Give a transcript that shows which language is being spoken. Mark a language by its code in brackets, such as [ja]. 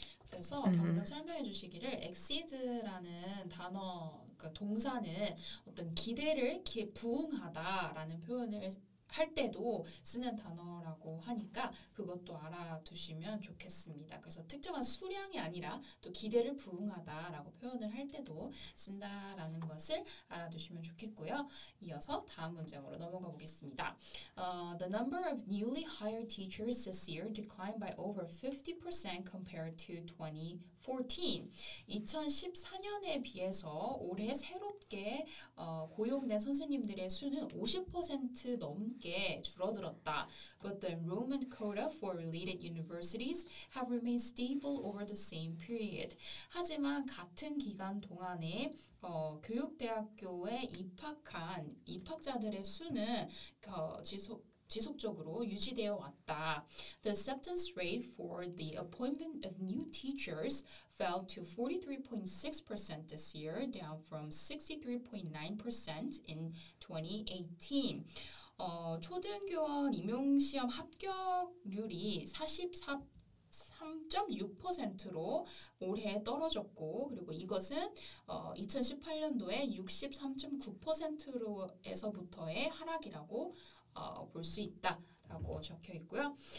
[ko] 그래서 방금 설명해 주시기를 exceed라는 단어, 그러니까 동사는 어떤 기대를 부응하다라는 표현을 할 때도 쓰는 단어라고 하니까 그것도 알아두시면 좋겠습니다. 그래서 특정한 수량이 아니라 또 기대를 부응하다라고 표현을 할 때도 쓴다라는 것을 알아두시면 좋겠고요. 이어서 다음 문장으로 넘어가 보겠습니다. [en] The number of newly hired teachers this year declined by over 50% compared to 2014. [ko] 2014년에 비해서 올해 새롭게 고용된 선생님들의 수는 50% 넘게 함께 줄어들었다. [en] But the enrollment quota for related universities have remained stable over the same period. [ko] 하지만 같은 기간 동안에 교육대학교에 입학한 입학자들의 수는 지속적으로 유지되어 왔다. [en] The acceptance rate for the appointment of new teachers fell to 43.6% this year, down from 63.9% in 2018. [ko] 초등교원 임용시험 합격률이 43.6%로 올해 떨어졌고 그리고 이것은 2018년도에 63.9%에서부터의 하락이라고 볼 수 있다라고 적혀 있고요.